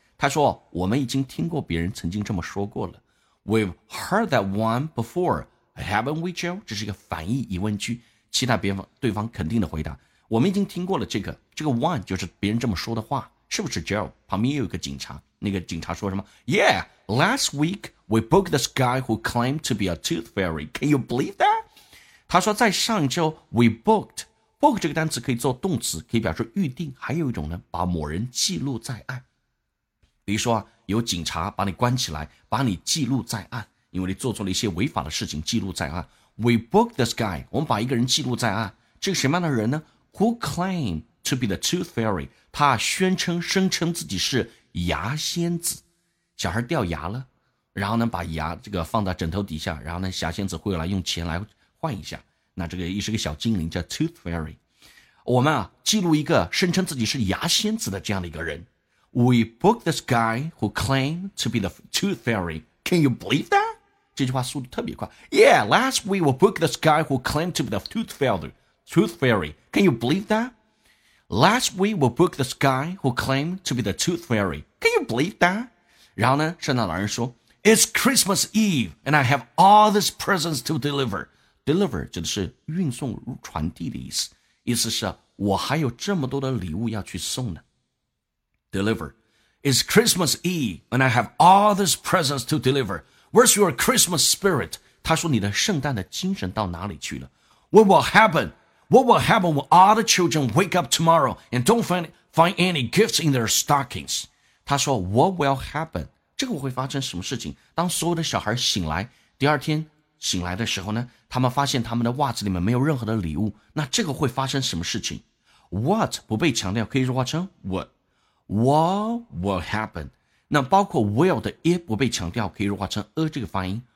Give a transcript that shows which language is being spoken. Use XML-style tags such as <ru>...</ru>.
<zh>他说我们已经听过别人曾经这么说过了。</zh> <en>We've heard that one before, haven't we, Joe?</en> <zh>这是一个反义疑问句，期待别方对方肯定的回答。我们已经听过了这个 one 就是别人这么说的话，是不是 Joe? 旁边又有一个警察，那个警察说什么？</zh> <en>Yeah, last week we booked this guy who claimed to be a tooth fairy. Can you believe that?</en> <zh>他说在上周</zh> <en>we booked,</en> <zh>book 这个单词可以做动词，可以表示预定，还有一种呢，把某人记录在案。比如说、啊、有警察把你关起来，把你记录在案，因为你做错了一些违法的事情，记录在案。</zh> <en>We booked this guy，</en> <zh>我们把一个人记录在案。这个什么样的人呢？</zh> <en>Who claimed to be the tooth fairy，</en> <zh>他声称自己是牙仙子。小孩掉牙了，然后呢把牙这个放到枕头底下，然后呢牙仙子会来用钱来换一下，那这个也是个小精灵叫 tooth fairy。我们啊记录一个声称自己是牙仙子的这样的一个人。</zh> <en>We booked this guy who claimed to be the tooth fairy. Can you believe that?</en> <zh>这句话速度特别快。</zh> <en>Yeah, last week we booked this guy who claimed to be the tooth fairy. Can you believe that? Last week we booked this guy who claimed to be the tooth fairy. Can you believe that?</en> <zh>然后呢，圣诞老人说</zh> <en>，It's Christmas Eve, and I have all these presents to deliver.</en> <zh>Deliver 指的是运送、传递的意思，意思是我还有这么多的礼物要去送呢。Deliver.</zh> <en>It's Christmas Eve, and I have all these presents to deliver. Where's your Christmas spirit?</en> <zh>他说你的圣诞的精神到哪里去了？</zh> <en>What will happen? What will happen when all the children wake up tomorrow and don't find any gifts in their stockings?</en> <zh>他说</zh> <en>What will happen?</en> <zh>这个会发生什么事情？当所有的小孩醒来，第二天醒来的时候呢，他们发现他们的袜子里面没有任何的礼物，那这个会发生什么事情？ What 不被强调，可以弱化成 What.</zh> <en>What will happen?</en> <zh>那包括 will 的 if 不被强调，可以弱化成 a 这个发音。</zh>